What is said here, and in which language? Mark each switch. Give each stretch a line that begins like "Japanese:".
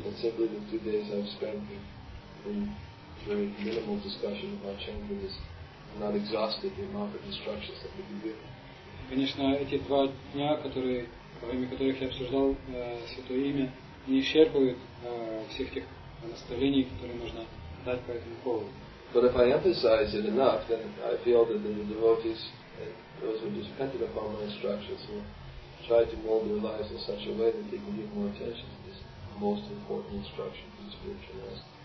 English: But simply the 2 days I've spent in very minimal discussion about chanting is not exhausted the amount of instructions that we can give.
Russian: Конечно, эти 2 дня, во время которых я обсуждал Святое Имя, не исчерпывают всех тех наставлений, которые можно дать по этому поводу.
English: But if I emphasize it enough, then I feel that the devotees, those who depended upon my instructions, will try to mold their lives in such a way that they can give more attention to this most important instruction to the spiritual life.